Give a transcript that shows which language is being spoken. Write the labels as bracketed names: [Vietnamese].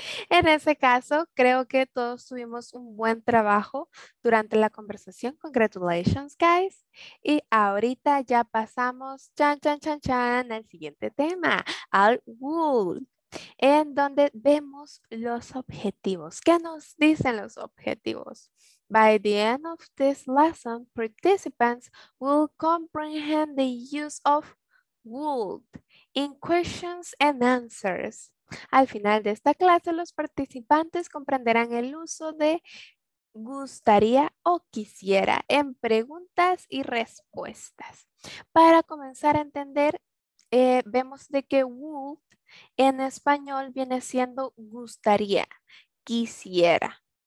[Spanish] En ese caso, creo que todos tuvimos un buen trabajo durante la conversación. [English] Congratulations, guys. [Spanish] Y ahorita ya pasamos, chan, chan, chan, chan, al siguiente tema, al wool, en donde vemos los objetivos. ¿Qué nos dicen los objetivos? [English] By the end of this lesson, participants will comprehend the use of would in questions and answers. [Spanish] Al final de esta clase, los participantes comprenderán el uso de gustaría o quisiera en preguntas y respuestas. Para comenzar a entender, vemos de que would en español viene siendo gustaría, quisiera.